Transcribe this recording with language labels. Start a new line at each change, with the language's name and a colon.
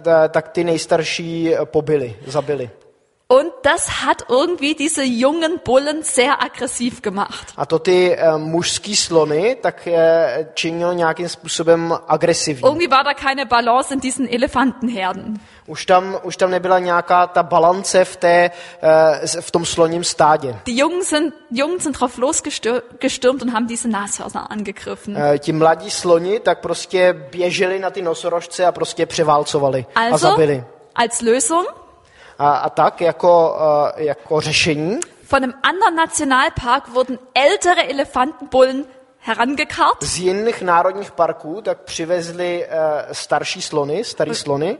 Czech: Tak ty nejstarší pobili, zabili.
German: Und das hat irgendwie diese jungen Bullen sehr aggressiv gemacht.
Czech: A to ty mužský slony tak činilo nějakým způsobem agresivní.
German: Irgendwie war da keine Balance in diesen Elefantenherden.
Czech: Už tam nebyla nějaká ta balance v tom sloním stádě.
German: Die Jungen sind drauf losgestürmt und haben diese Nashörner angegriffen.
Czech: Ti mladí sloni tak prostě běželi na ty nosorožce a prostě převálcovali also, a zabili.
German: Als Lösung.
Czech: A tak jako řešení.
German: Von einem anderen Nationalpark wurden ältere Elefantenbullen herangekarrt.
Czech: Z jiných národních parků tak přivezli starší slony, starý slony.